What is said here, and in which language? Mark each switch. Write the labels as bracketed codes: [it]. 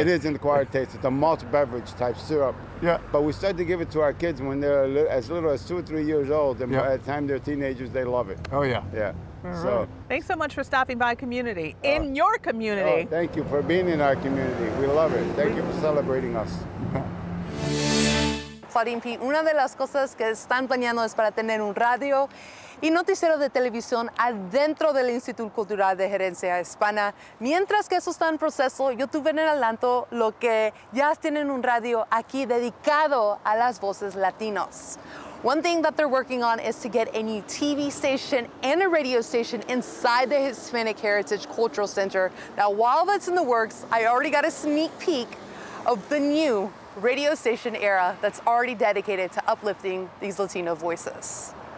[en] It is an acquired taste. It's a malt beverage type syrup. Yeah. But we start to give it to our kids when they're as little as 2 or 3 years old. And by the time they're teenagers, they love it. Oh, yeah. Yeah. So, thanks so much for stopping by commUNITY, in your commUNITY. Oh, thank you for being in our commUNITY. We love it. Thank you for celebrating us. [es] Claudine P., una de las cosas que están planeando es para tener un radio y noticiero de televisión adentro del Instituto Cultural de Gerencia Hispana. Mientras que eso está en proceso, yo tuve en adelanto lo que ya tienen un radio aquí dedicado a las voces latinos. [en] One thing that they're working on is to get a new TV station and a radio station inside the Hispanic Heritage Cultural Center. Now, while that's in the works, I already got a sneak peek of the new radio station era that's already dedicated to uplifting these Latino voices.